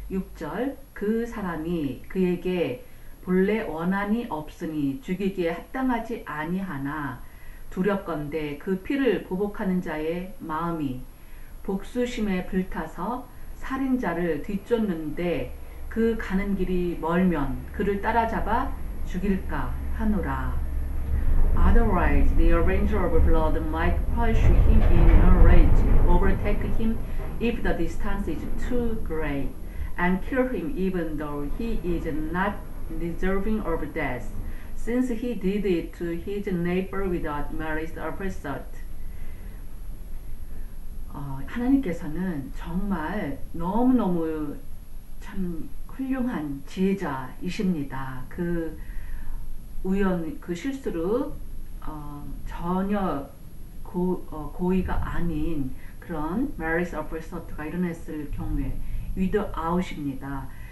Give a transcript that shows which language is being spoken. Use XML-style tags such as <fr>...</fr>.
<ko>6절 그 사람이 그에게 본래 원한이 없으니 죽이기에 합당하지 아니하나 두렵건대 그 피를 보복하는 자의 마음이 복수심에 불타서 살인자를 뒤쫓는데 그 가는 길이 멀면 그를 따라잡아 죽일까 하노라.</ko> <en>Otherwise, the avenger of blood might crush him in a rage, overtake him if the distance is too great, and kill him even though he is not deserving of death, since he did it to his neighbor without malice aforethought.</en> <ko>하나님께서는 정말 너무너무 참 훌륭한 지혜자이십니다. 그 실수로 전혀 고의가 아닌 그런</ko> <en>malice aforethought</en> <ko>가 일어났을 경우에 without입니다.</ko>